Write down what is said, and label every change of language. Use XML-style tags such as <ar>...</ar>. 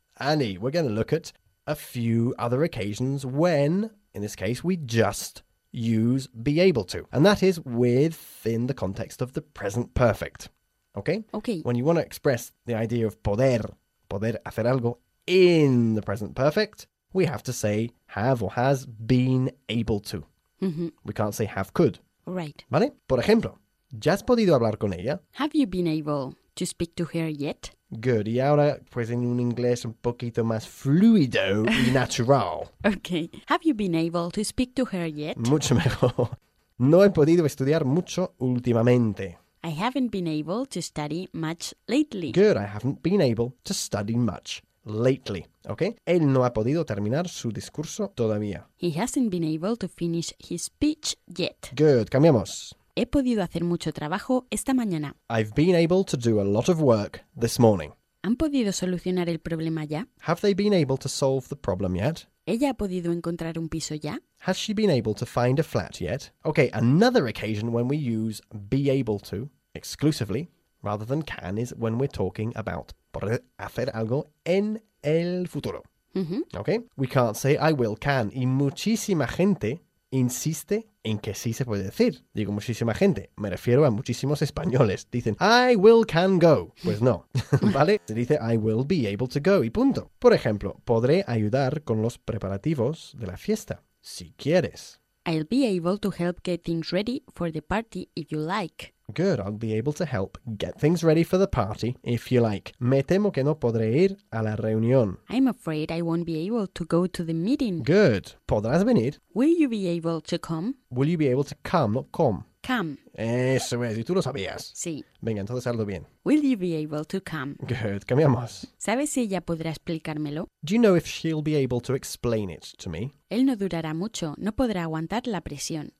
<en>Annie, we're going to look at a few other occasions when, in this case, we just use be able to. And that is within the context of the present perfect. Okay? Okay. When you want to express the idea of</en> <es>poder hacer algo</es> <en>in the present perfect, we have to say have or has been able to. Mm-hmm. We can't say have could. Right.</en> <es>¿Vale? Por ejemplo, ¿ya has podido hablar con ella?</es> <en>Have you been able to speak to her yet? Good.</en> <es>Y ahora, pues en un inglés un poquito más fluido y natural.</es> <en>Okay. Have you been able to speak to her yet?</en> <es>Mucho mejor. No he podido estudiar mucho últimamente.</es> <en>I haven't been able to study much lately. Good. I haven't been able to study much lately. Okay.</en> <es>Él no ha podido terminar su discurso todavía.</es> <en>He hasn't been able to finish his speech yet.</en> <es>Good. Cambiamos. He podido hacer mucho trabajo esta mañana.</es> <en>I've been able to do a lot of work this morning.</en> <es>¿Han podido solucionar el problema ya?</es> <en>Have they been able to solve the problem yet?</en> <es>¿Ella ha podido encontrar un piso ya?</es> <en>Has she been able to find a flat yet? Okay, another occasion when we use be able to exclusively rather than can is when we're talking about</en> <es>poder hacer algo en el futuro.</es> <en>Mm-hmm. Okay, we can't say I will can.</en> <es>Y muchísima gente insiste en que sí se puede decir. Digo muchísima gente, me refiero a muchísimos españoles. Dicen,</es> <en>I will can go.</en> <es>Pues no, ¿vale? Se dice,</es> <en>I will be able to go</en> <es>y punto. Por ejemplo, podré ayudar con los preparativos de la fiesta, si quieres.</es> <en>I'll be able to help get things ready for the party if you like. Good, I'll be able to help get things ready for the party if you like.</en> <es>Me temo que no podré ir a la reunión.</es> <en>I'm afraid I won't be able to go to the meeting.</en> <es>Good, podrás venir.</es> <en>Will you be able to come? Will you be able to come, not come? Come.</en> <es>Eso es, y tú lo sabías. Sí. Venga, entonces hazlo bien.</es> <en>Will you be able to come?</en> <es>Good, cambiamos. ¿Sabes si ella podrá explicármelo?</es> <en>Do you know if she'll be able to explain it to me?</en> <es>Él no durará mucho, no podrá aguantar la presión.</es>